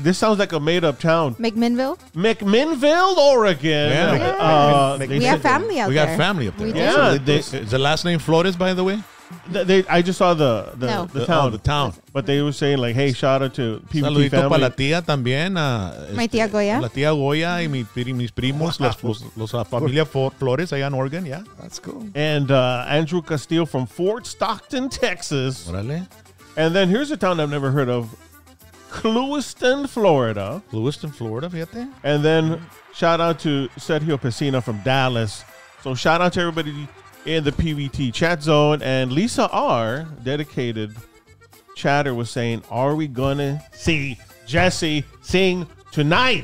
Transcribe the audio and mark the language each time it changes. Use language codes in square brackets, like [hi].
[en] This sounds like a made up town. McMinnville, Oregon. Yeah. We have family up there. Yeah. Is the last name Flores, by the way? I just saw the town. Oh, the town. But they were saying, like, hey, shout out to PPP family. [es] Saludito para la tía también. [en] My tía Goya. [es] La tía Goya y mis primos, los familia Flores allá en Oregon, yeah. [en] That's cool. And Andrew Castillo from Fort Stockton, Texas. [es] Orale. [en] And then here's a town I've never heard of. Clewiston, Florida. Clewiston, Florida, fíjate. And then shout out to Sergio Pesina from Dallas. So shout out to everybody in the PVT chat zone. And Lisa R, dedicated chatter, was saying, are we going to see Jesse sing tonight?